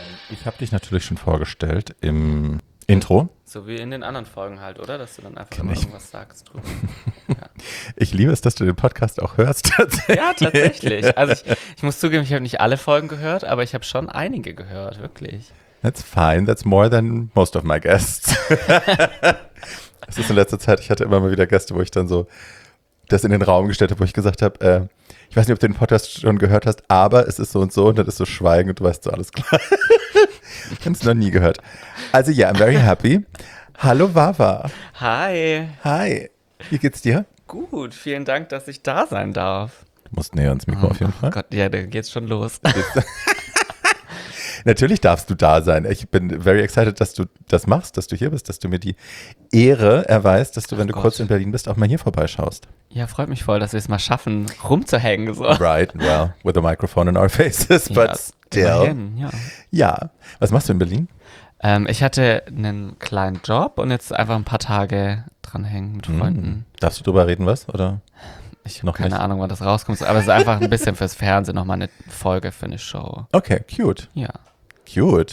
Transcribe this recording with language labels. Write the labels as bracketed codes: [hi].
[de] Ich habe dich natürlich schon vorgestellt im Intro. So wie in den anderen Folgen halt, oder? Dass du dann einfach immer irgendwas sagst drüber. Ja. Ich liebe es, dass du den Podcast auch hörst. Tatsächlich. Also ich muss zugeben, ich habe nicht alle Folgen gehört, aber ich habe schon einige gehört, wirklich. [en] That's fine. That's more than most of my guests. [de] Es ist in letzter Zeit, ich hatte immer mal wieder Gäste, wo ich dann so das in den Raum gestellt habe, wo ich gesagt habe, ich weiß nicht, ob du den Podcast schon gehört hast, aber es ist so und so, und dann ist so Schweigen und du weißt so, alles klar. Ich habe es noch nie gehört. [en] Also yeah, I'm very happy. [de] Hallo [en] Vava. Hi. [de] Hi. Wie geht's dir? Gut, vielen Dank, dass ich da sein darf. Du musst näher ans Mikro auf jeden Fall. Oh Gott, ja, da geht's schon los. Natürlich darfst du da sein. Ich bin [en] very excited, [de] dass du das machst, dass du hier bist, dass du mir die Ehre erweist, dass du, wenn du kurz in Berlin bist, auch mal hier vorbeischaust. Ja, freut mich voll, dass wir es mal schaffen, rumzuhängen. So. [en] Right, well, with a microphone in our faces, but [de] ja, [en] still. [de] Immerhin, ja. Ja, was machst du in Berlin? Ich hatte einen kleinen Job und jetzt einfach ein paar Tage dranhängen mit Freunden. Darfst du drüber reden, was? Oder? Ich habe keine Ahnung, wann das rauskommt, aber es ist einfach ein bisschen fürs Fernsehen nochmal eine Folge für eine Show. [en] Okay, cute. [de] Ja. [en] Cute.